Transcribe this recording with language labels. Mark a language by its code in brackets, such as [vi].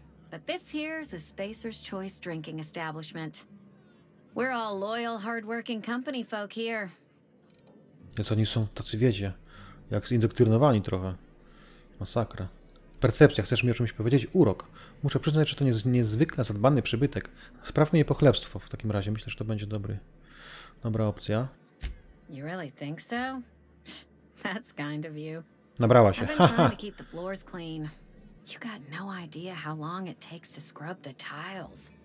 [en] But this here is a Spacer's Choice drinking establishment. We're all loyal, hardworking company folk here. [pl] Więc oni są tacy, wiecie, jak zindoktrynowani trochę. Masakra. Percepcja, chcesz mi o czymś powiedzieć? Urok. Muszę przyznać, że to jest niezwykle zadbany przybytek. Sprawmy jej pochlebstwo w takim razie. Myślę, że to będzie dobra opcja. [en] You really think so? That's kind of you. [pl] Nabrała się. [en] I've been trying to keep the floors clean. You got no idea how long it takes to scrub the tiles.